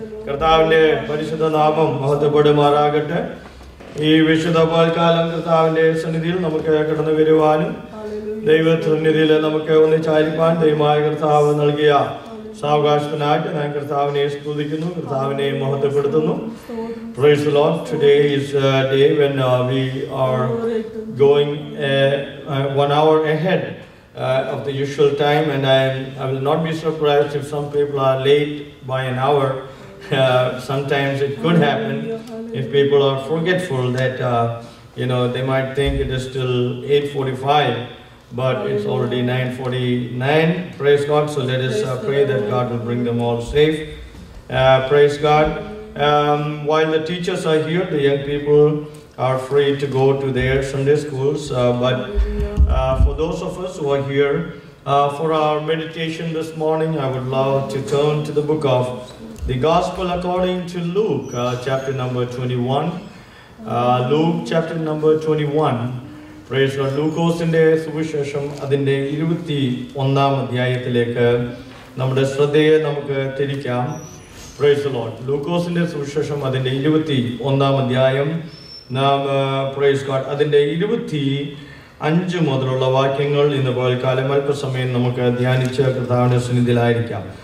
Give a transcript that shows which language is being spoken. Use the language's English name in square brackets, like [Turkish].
[Malayalam] കർത്താവിന്റെ പരിശുദ്ധ നാമം മഹത്വപ്പെടുമാറാകട്ടെ. ഈ വിശുദ്ധ പാൽക്കാലം കർത്താവിന്റെ സന്നിധിയിൽ നമുക്ക് കടന്നു വരുവാനും ദൈവസന്നിധിയിൽ നമുക്ക് ഒന്നിച്ചായിരിക്കാൻ ദൈവമായ കർത്താവ് നൽകിയ സാവകാശത്തിനായിട്ട് ഞാൻ കർത്താവിനെ സ്തുതിക്കുന്നു, കർത്താവിനെ മഹത്വപ്പെടുത്തുന്നു. [English] Praise the Lord. Today is a day when we are going one hour ahead of the usual time, and I will not be surprised if some people are late by an hour. Sometimes it could happen if people are forgetful that they might think it is still 8:45, but it's already 9:49. Praise God. So let us pray that God will bring them all safe. Praise God. While the teachers are here, the young people are free to go to their Sunday schools, but for those of us who are here for our meditation this morning, I would love to turn to the book of the Gospel according to Luke, chapter number 21. Luke chapter number 21. Praise God. [Malayalam] ലൂക്കോസിന്റെ സുവിശേഷം അതിന്റെ 21 അധ്യായത്തിലേക്ക് നമ്മുടെ ശ്രദ്ധയെ നമുക്ക് തിരിക്കാം. [English] Praise the Lord. [Malayalam] ലൂക്കോസിന്റെ സുവിശേഷം അതിന്റെ 21 അധ്യായം നാം [English] praise God [Malayalam] അതിന്റെ 25 മുതലുള്ള വാക്യങ്ങൾ ഇന്ന് പാൽക്കാലം അല്പസമയം നമുക്ക് ധ്യാനിച്ച് കർത്താവിന്റെ സന്നിധിയിലായിരിക്കാം.